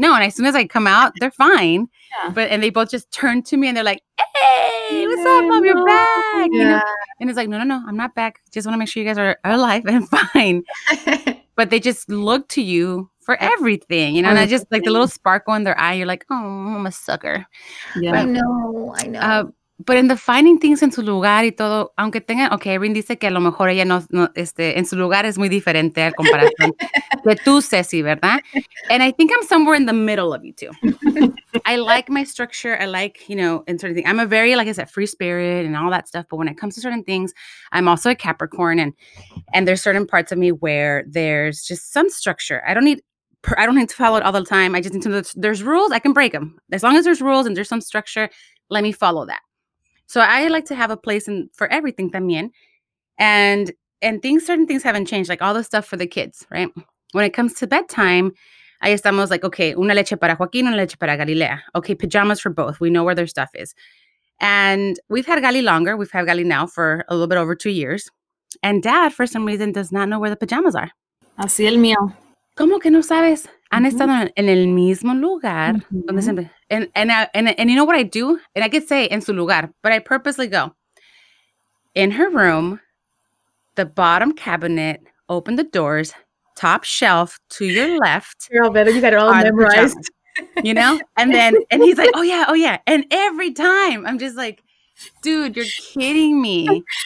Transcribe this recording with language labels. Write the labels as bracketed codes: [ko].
[en] No, and as soon as I come out, they're fine. Yeah. But, and they both just turn to me and they're like, hey, what's up, mom? You're back. Yeah. You know? And it's like, no, I'm not back. Just want to make sure you guys are alive and fine. But they just look to you for everything, you know, and I just like the little sparkle in their eye. You're like, oh, I'm a sucker. Yeah. But, I know. But in the finding things [es] in su lugar y todo, aunque tengan, okay, Erin dice que a lo mejor ella no, en su lugar es muy diferente al comparación de tú, Ceci, ¿verdad? [en] And I think I'm somewhere in the middle of you two. I like my structure. I like, you know, in certain things. I'm a very, like I said, free spirit and all that stuff. But when it comes to certain things, I'm also a Capricorn. And there's certain parts of me where there's just some structure. I don't need to follow it all the time. I just need to know there's rules. I can break them. As long as there's rules and there's some structure, let me follow that. So I like to have a place for everything [es] también. [en] And things, certain things haven't changed, like all the stuff for the kids, right? When it comes to bedtime, [es] ahí estamos [en] like, okay, [es] una leche para Joaquín, una leche para Galilea. [en] Okay, pajamas for both. We know where their stuff is. And we've had Gali longer. We've had Gali now for a little bit over 2 years. And Dad, for some reason, does not know where the pajamas are. [es] Así el mío. ¿Cómo que no sabes? Han estado en el mismo lugar. Donde siempre. [en] And you know what I do? And I could say [es] en su lugar, [en] but I purposely go in her room, the bottom cabinet, open the doors, top shelf to your left. Girl, better you got it all memorized. You know? And then he's like, oh yeah. And every time I'm just like, dude, you're kidding me.